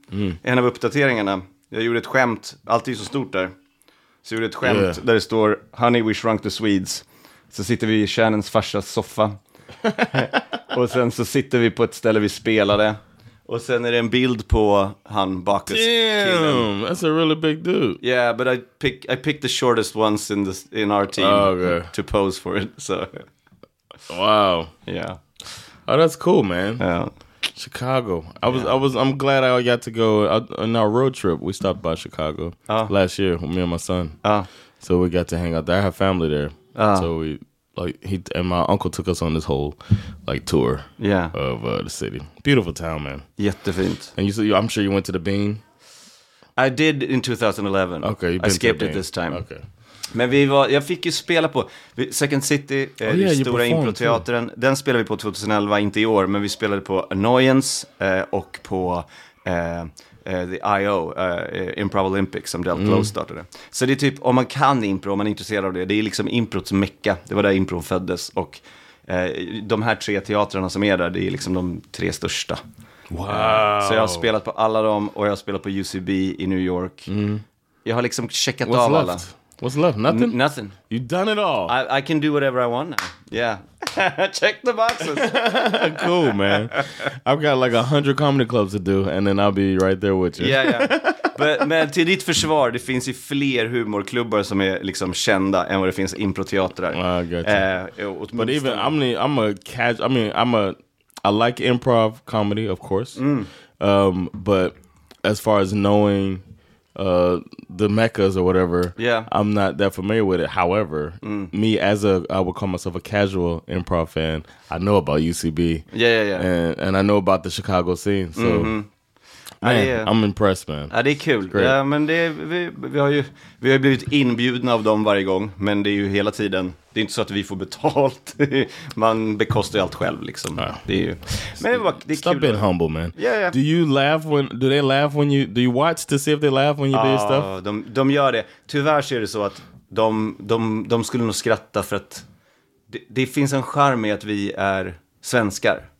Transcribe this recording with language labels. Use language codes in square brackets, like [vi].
[sv] Mm. En av uppdateringarna. Jag gjorde ett skämt. Allt är så stort där. Så jag gjorde ett skämt där det står, [en] honey, we shrunk the Swedes. [sv] Så sitter vi i Shannons farsas soffa. Och sen så sitter vi på ett ställe vi spelade. Och sen är det en bild på han Bacchus. [en] Damn, [sv] killen. [en] That's a really big dude. Yeah, but I picked the shortest ones in our team to pose for it. So, wow. Yeah. Oh, that's cool, man. Yeah. Chicago. I'm glad I got to go on our road trip. We stopped by Chicago last year with me and my son. So we got to hang out there. I have family there. So we like he and my uncle took us on this whole like tour. Yeah. Of the city. Beautiful town, man. [sv] Jättefint. [en] And I'm sure you went to the Bean. I did in 2011. Okay, I skipped it this time. Okay. [sv] Men jag fick ju spela på Second City, stora improteatern. Den spelade vi på 2011, inte i år, men vi spelade på Annoyance och på The I.O., Improv Olympics, som Delta Close startade. Så det är typ, om man kan impro, om man är intresserad av det, det är liksom improts mecka. Det var där impro föddes. Och de här tre teatrarna som är där, det är liksom de tre största. [en] Wow! [sv] Så jag har spelat på alla dem, och jag har spelat på UCB i New York. Mm. Jag har liksom checkat [en] What's [sv] av [en] left? [sv] Alla. [en] What's left? Nothing? Nothing. You've done it all. I can do whatever I want now. Yeah. Check the boxes. Cool, man. I've got like 100 comedy clubs to do, and then I'll be right there with you. Yeah, yeah. [sv] Men till ditt försvar, det finns ju fler humorklubbar som är liksom kända än vad det finns improteatrar. [en] But even, I like improv comedy, of course. Mm. But as far as knowing... the meccas or whatever. Yeah, I'm not that familiar with it. However, me as I would call myself a casual improv fan. I know about UCB. Yeah. And I know about the Chicago scene. So, I'm impressed, man. [sv] Ja, det är kul. Ja, men det vi har blivit inbjudna av dem varje gång, men det är ju hela tiden. Det är inte så att vi får betalt. Man bekostar ju allt själv, liksom. Ja. Det är ju. Men det är [en] stop [sv] kul [en] being då. Humble, man. Yeah. Do you watch to see if they laugh when you do stuff? [sv] De gör det. Tyvärr så är det så att de skulle nog skratta för att det finns en charm i att vi är svenskar.